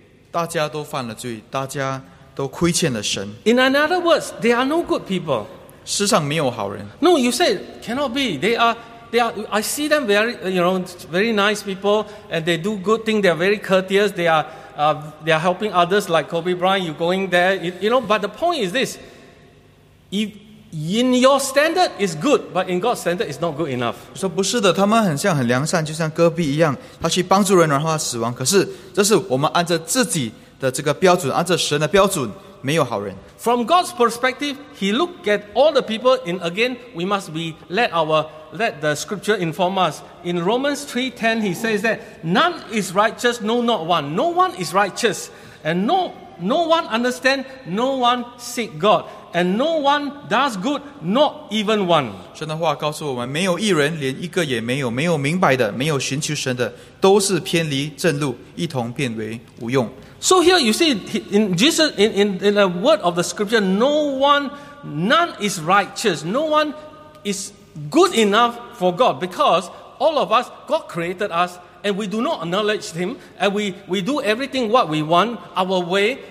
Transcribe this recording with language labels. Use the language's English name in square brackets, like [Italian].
[Chinese] 大家都犯了罪，大家都亏欠了神。 [English] In other words, there are no good people. [Chinese] 世上没有好人。 [English] No, you said cannot be. They are. I see them very nice people, and they do good things. They are very courteous. They are helping others like Kobe Bryant. You going there? But the point is this: if in your standard is good, but in God's standard is not good enough. [Chinese] 说不是的，他们很像很良善，就像戈壁一样，他去帮助人，然后他死亡。可是这是我们按照自己的这个标准，按照神的标准。没有好人。 [English] From God's perspective, He looked at all the people. And again, we must be let the Scripture inform us. In Romans 3:10, He says that none is righteous, no, not one. No one is righteous, and no one understand. No one seek God, and no one does good, not even one. [Chinese] 神的话告诉我们，没有一人，连一个也没有，没有明白的，没有寻求神的，都是偏离正路，一同变为无用。 [English] So here you see in Jesus in the word of the scripture, none is righteous, no one is good enough for God, because all of us, God created us, and we do not acknowledge Him, and we do everything what we want our way.